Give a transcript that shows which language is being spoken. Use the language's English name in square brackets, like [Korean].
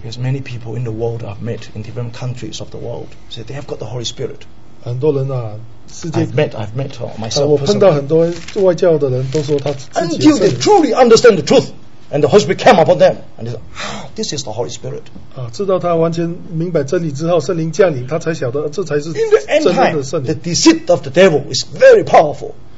[English] There's many people in the world I've met in different countries of the world say they have got the Holy Spirit. [Chinese] 很多人啊。 [English] I've met myself personally. Until they truly understand the truth, and the Holy Spirit came upon them, and they said, "Ah, this is the Holy Spirit." [Chinese] 知道他完全明白真理之后，圣灵降临，他才晓得这才是 [English] In the end time, the deceit of the devil is very powerful.